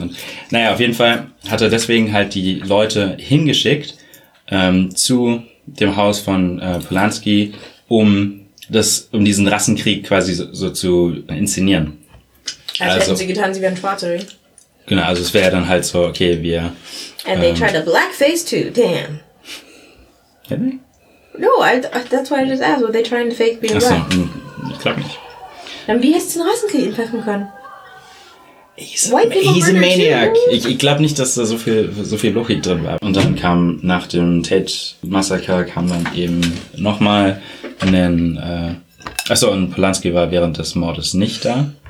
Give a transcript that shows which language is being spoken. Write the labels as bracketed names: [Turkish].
[German] Und, naja, auf jeden Fall hat er deswegen halt die Leute hingeschickt zu dem Haus von Polanski, um diesen Rassenkrieg quasi so zu inszenieren. Also hätten sie getan, sie wären schwarze. Genau, also es wäre dann halt so, okay, wir... [English] And they tried a blackface too, damn. Did they? No, that's why I just asked, were they trying to fake being black? [German] Achso, ich glaube nicht. Dann wie hättest du den Rassenkrieg impacten können? [English] He's a maniac. Too? [German] Ich glaube nicht, dass da so viel Logik drin war. Und dann kam nach dem Tate-Massaker kam dann eben nochmal einen... Achso, und Polanski war während des Mordes nicht da.